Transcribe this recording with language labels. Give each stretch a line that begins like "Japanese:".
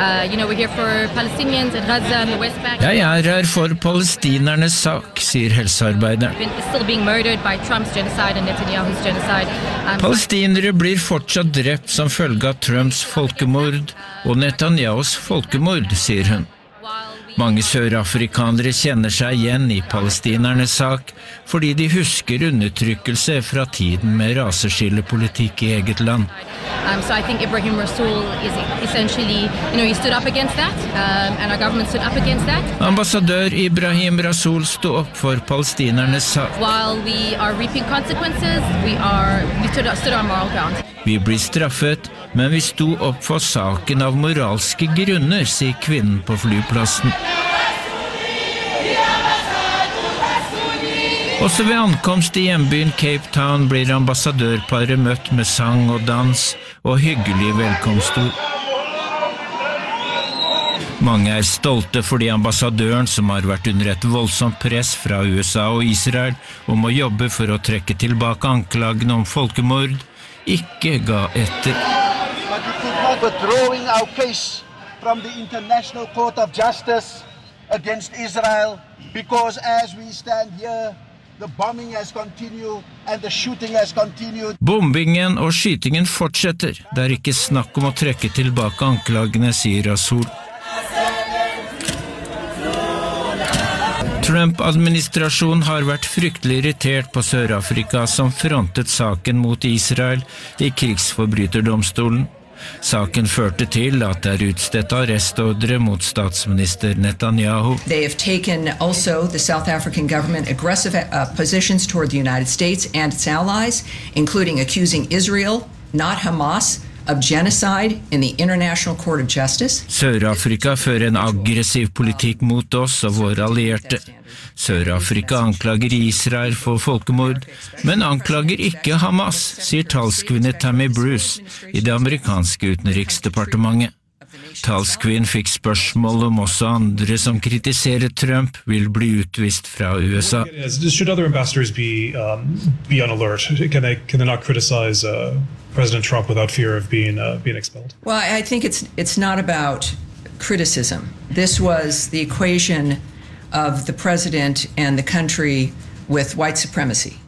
English: You know, we're here for Palestinians in Gaza and the West Bank.
Norwegian: Jeg her for palestinernes sak, sier helsearbeideren.
English: Still being murdered by Trump's genocide and Netanyahu's genocide.
Norwegian: Palestinere blir fortsatt drept som følge av Trumps folkemord og Netanyahu's folkemord, sier hun. Mange sørafrikanere kjenner seg igjen i palestinernes sak, fordi de husker undertrykkelse fra tiden med raseskillepolitikk i eget land.
English: So I think Ibrahim Rasool is essentially, you know, he stood up against that, and our government stood up against that.
Norwegian: Ambassadør Ibrahim Rasool stod opp for palestinernes sak.
English: While we are reaping consequences, we stood on moral ground.
Norwegian: Vi blir straffet, men vi stod opp for saken av moralske grunner, sier kvinnen på flyplassen. Også ved ankomst i hjembyen Cape Town blir ambassadørparet møtt med sang og dans og hyggelig velkomstord. Mange stolte fordi ambassadøren, som har vært under et voldsomt press fra USA og Israel om å jobbe for å trekke tilbake anklagen om folkemord, ikke ga etter.
English: Withdrawing our case from the International Court of Justice against Israel because as we stand here the bombing has continued and the shooting has continued.
Norwegian: Bombingen og skytingen fortsetter. Det ikke snakk om å trekke tilbake anklagene, sier Rasool. Trump-administrasjonen har vært fryktelig irritert på Sør-Afrika som frontet saken mot Israel i krigsforbryterdomstolen. Saken førte til at det utstedt arrestordre mot statsminister Netanyahu.
English: They have taken also the South African government aggressive positions toward the United States and its allies, including accusing Israel, not Hamas, of genocide in the International Court of Justice.
Norwegian: Sør-Afrika fører en aggressiv politikk mot oss og våre allierte. Sør-Afrika anklager Israel for folkemord, men anklager ikke Hamas, sier talskvinne Tammy Bruce i det amerikanske utenriksdepartementet. Talskvinn fikk spørsmål om også andre som kritiserer Trump vil bli utvist fra USA.
English: Should other ambassadors be on alert? Can they not criticize President Trump without fear of being expelled? Well, I think it's not about criticism. This was the equation of the president and the country with white supremacy.